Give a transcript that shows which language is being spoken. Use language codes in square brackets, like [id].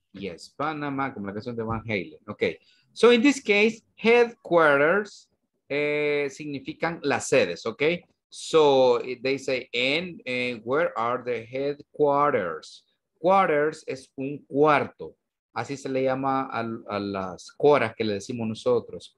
[es] Yes, Panama, como la canción de Van Halen. Okay. [en] So in this case, headquarters [es] significan las sedes, [en] okay? So they say, and where are the headquarters? [es] Quarters es un cuarto. Así se le llama a las coras que le decimos nosotros.